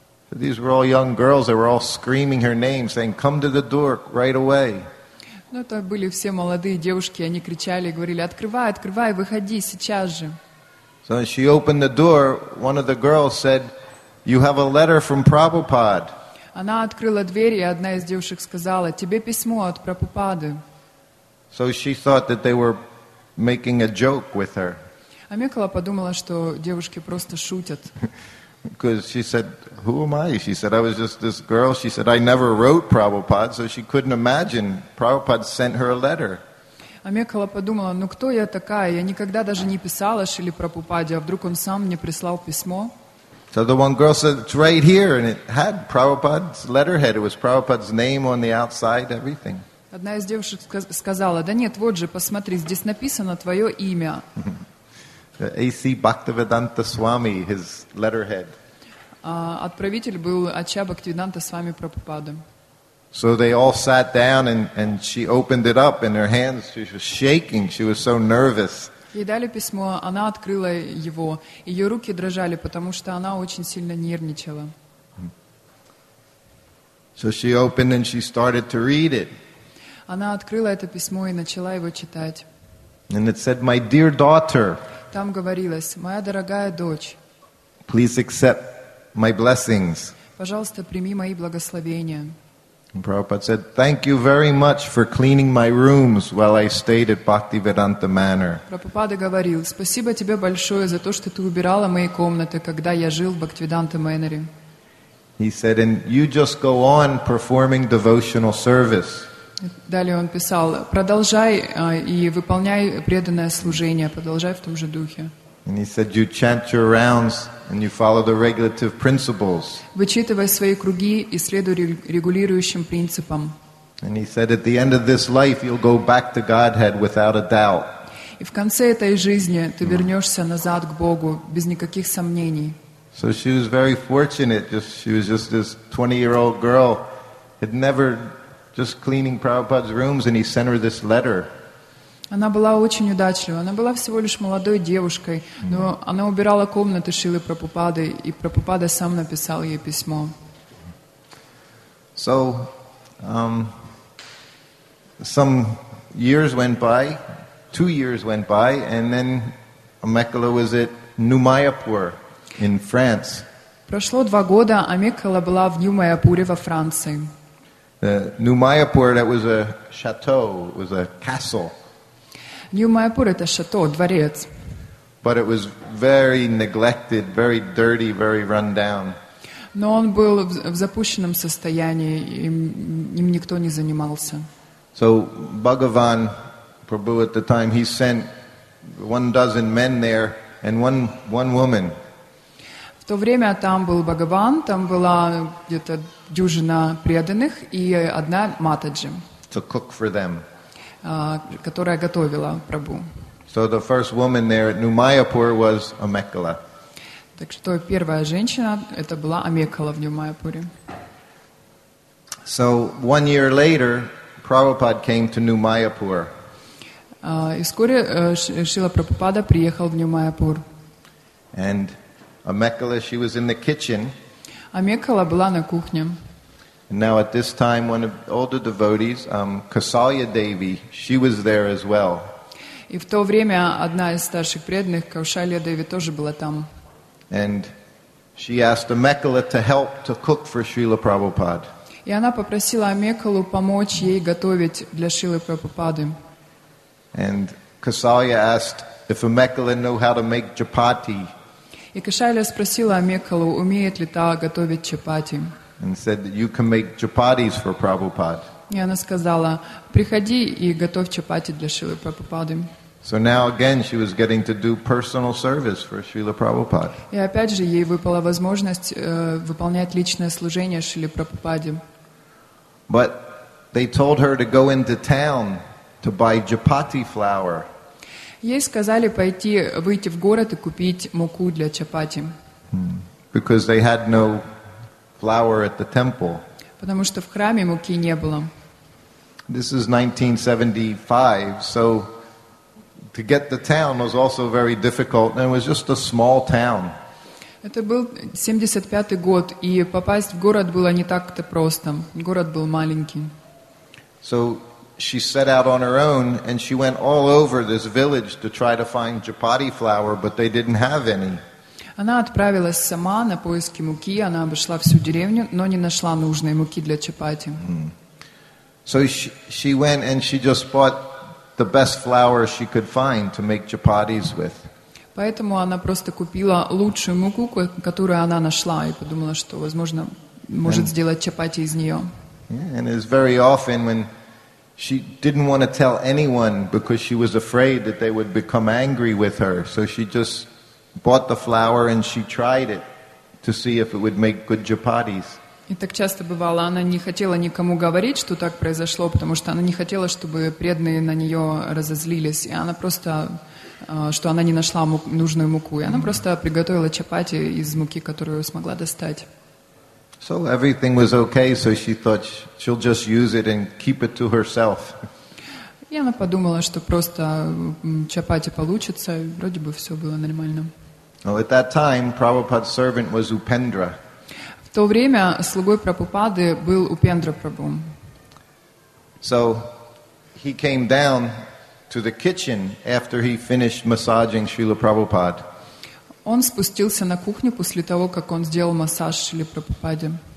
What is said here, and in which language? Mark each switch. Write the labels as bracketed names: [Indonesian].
[English] So these were all young girls. They were all screaming her name, saying, "Come to the door right away!" [Russian] Ну, это были все молодые девушки. Они кричали и говорили: «Открывай, открывай, выходи сейчас же!» [English] So she opened the door. One of the girls said, "You have a letter from Prabhupada." [Russian] Она открыла дверь, и одна из девушек сказала: «Тебе письмо от Прабхупады». [English] So she thought that they were making a joke with her. [Russian] Амекала подумала, что девушки просто шутят. [English] Because she said, "Who am I?" She said, "I was just this girl." She said, "I never wrote Prabhupada," so she couldn't imagine Prabhupada sent her a letter. [Russian] А Мекхала подумала, ну кто я такая? Я никогда даже не писала Шриле Прабхупаде, а вдруг он сам мне прислал письмо? [English] So the one girl said, it's right here, and it had Prabhupada's letterhead. It was Prabhupada's name on the outside, everything. [Russian] Одна из девушек сказала, да нет, вот же, посмотри, здесь написано твое имя. [English] A.C. Bhaktivedanta Swami, his letterhead. [Russian] Отправитель был Ача Бхактивиданта Свами Прабхупада. [English] So they all sat down and she opened it up in her hands. She was shaking. She was so nervous. [Russian] Ей дали письмо, она открыла его. Ее руки дрожали, потому что она очень сильно нервничала. [English] So she opened and she started to read it. [Russian] Она открыла это письмо и начала его читать. [English] And it said, "My dear daughter." [Russian] Там говорилось, моя дорогая дочь. [English] Please accept my blessings. [Russian] Пожалуйста, прими мои благословения. [English] And Prabhupada said, "Thank you very much for cleaning my rooms while I stayed at Bhaktivedanta Manor." [Russian] Прабхупада говорил, спасибо тебе большое за то, что ты убирала мои комнаты, когда я жил в Бхактивиданта Мэннере. [English] He said, "And you just go on performing devotional service." [Russian] Далее он писал, продолжай и выполняй преданное служение, продолжай в том же духе. [English] And he said, "You chant your rounds and you follow the regulative principles." [Russian] Вычитывай свои круги и следуй регулирующим принципам. [English] And he said, "At the end of this life, you'll go back to Godhead without a doubt." [Russian] И в конце этой жизни ты вернешься назад к Богу без никаких сомнений. [English] So she was very fortunate. She was just this 20-year-old girl had never just cleaning Prabhupada's rooms, and he sent her this letter. [Russian] Она была очень удачлива. Она была всего лишь молодой девушкой, но она убирала комнаты Шрилы Прабхупады, и Прабхупада сам написал ей письмо. [English] So, some years went by, 2 years went by, and then Mekhala was at Numayapur in France. [Russian] Прошло 2 года, а Мекхала была в Нью-Майяпуре во Франции. [English] The Numayapur, that was a chateau, it was a castle. [Russian] Нью-Майяпур — это шато, дворец. [English] But it was very neglected, very dirty, very run down. [Russian] Но он был в запущенном состоянии, им никто не занимался. [English] So Bhagavan Prabhu at the time, he sent 12 men there and one woman. [Russian] В то время там был Бхагаван, там была где-то дюжина преданных и одна матаджи. [English] To cook for them. [Russian] Которая готовила Прабу. [English] So the first woman there at Numayapur was Amekhala. [Russian] Так что первая женщина это была Амекхала в Нью-Майяпуре. [English] So 1 year later, Prabhupada came to Numayapur. [Russian] И вскоре Шрила Прабхупада приехал в Нью-Майяпур. [English] And Amekhala, she was in the kitchen. [Russian] Амекхала была на кухне. [English] Now at this time, one of the older devotees, Kausalya Devi, she was there as well. [Russian] И в то время одна из старших преданных, Каушалья Деви, тоже была там. [English] And she asked Amekhala to help to cook for Srila Prabhupada. [Russian] И она попросила Амекхалу помочь ей готовить для Шрилы Прабхупады. [English] And Kausalya asked if Amekhala knew how to make chapati. [Russian] И Каушалья спросила Амекхалу, умеет ли та готовить чапати. [English] And said that you can make chapatis for Prabhupada. [Russian] И она сказала, приходи и готовь чапати для Шрилы Прабхупады. [English] So now again she was getting to do personal service for Srila Prabhupada. [Russian] И опять же ей выпала возможность выполнять личное служение Шриле Прабхупаде. [English] But they told her to go into town to buy chapati flour. [Russian] Ей сказали пойти, выйти в город и купить муку для чапати. [English] Because they had no flour at the temple. [Russian] Потому что в храме муки не было. [English] This is 1975, so to get to town was also very difficult, and it was just a small town. [Russian] Это был 75-й год, и попасть в город было не так-то просто. Город был маленький. [English] So she set out on her own, and she went all over this village to try to find chapati flour, but they didn't have any. [Russian] Она отправилась сама на поиски муки, она обошла всю деревню, но не нашла нужной муки для чапати. [English] So she went and she just bought the best flour she could find to make chapatis with. [Russian] Поэтому она просто купила лучшую муку, которую она нашла, и подумала, что, возможно, может сделать чапати из нее. [English] And it's very often when She didn't want to tell anyone because she was afraid that they would become angry with her. So she just bought the flour and she tried it to see if it would make good chapatis. [Russian] И так часто бывало, она не хотела никому говорить, что так произошло, потому что она не хотела, чтобы преданные на нее разозлились. И она просто, что она не нашла нужную муку. И она просто приготовила чапати из муки, которую смогла достать. [English] So everything was okay, so she thought she'll just use it and keep it to herself. [Russian] И она подумала, что просто чапати получится, и вроде бы все было нормально. [English] Well, at that time, Prabhupada's servant was Upendra. [Russian] В то время слугой Прабхупады был Упендра Прабху. [English] So he came down to the kitchen after he finished massaging Srila Prabhupada. [Russian] Он спустился на кухню после того, как он сделал массаж Шриле Прабхупаде.